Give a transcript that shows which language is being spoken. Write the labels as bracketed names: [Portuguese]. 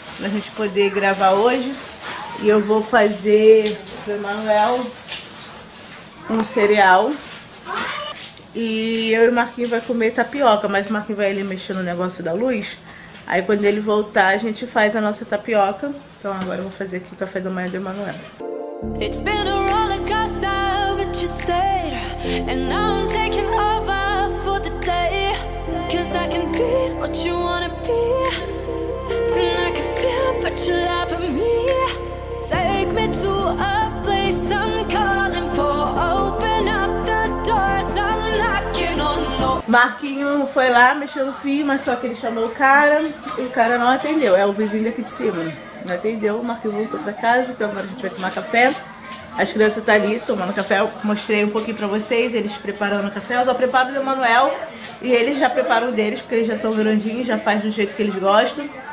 [Portuguese] Pra gente poder gravar hoje. E eu vou fazer pro Manuel um cereal. E eu e o Marquinhos vai comer tapioca. Mas o Marquinhos vai ali mexer no negócio da luz. Aí quando ele voltar, a gente faz a nossa tapioca. Então agora eu vou fazer aqui o café da manhã do Manuel. [English] It's been a roller coaster, but you stayed. And now I'm taking over for the day. Cause I can be what you wanna be. And I can feel, but you lie for me. Take me to a place I'm calling for. Open up the doors, I'm knocking on the door. [Portuguese] Marquinho foi lá, mexeu no fio, mas só que ele chamou o cara e o cara não atendeu. É o vizinho daqui de cima. Não atendeu, o Marquinhos voltou pra casa, então agora a gente vai tomar café. As crianças tá ali tomando café, eu mostrei um pouquinho pra vocês, eles preparando o café. Eu só preparo do Manuel e eles já preparam o deles, porque eles já são grandinhos, já faz do jeito que eles gostam.